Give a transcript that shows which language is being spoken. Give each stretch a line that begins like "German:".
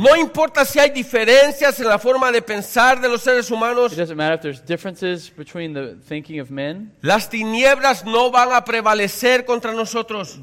Spanish: No importa si hay diferencias en la forma de pensar de los seres humanos.
English: It doesn't matter if there's differences between the thinking of men.
Spanish: Las tinieblas no van a prevalecer contra nosotros.